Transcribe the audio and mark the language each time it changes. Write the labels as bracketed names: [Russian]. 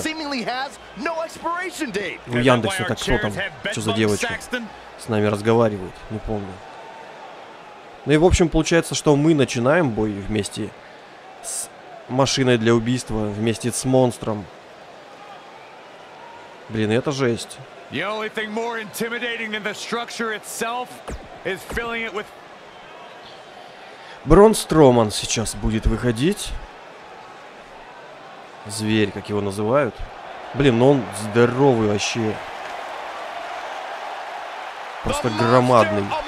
[Russian] У Яндекса, так кто там, что за девочка с нами разговаривает, не помню. Ну и, в общем, получается, что мы начинаем бой вместе с машиной для убийства, вместе с монстром. Блин, это жесть. [English] The only thing more intimidating than the structure itself is filling it with. [Russian] Брон Строман сейчас будет выходить. Зверь, как его называют. Блин, он здоровый вообще. Просто громадный.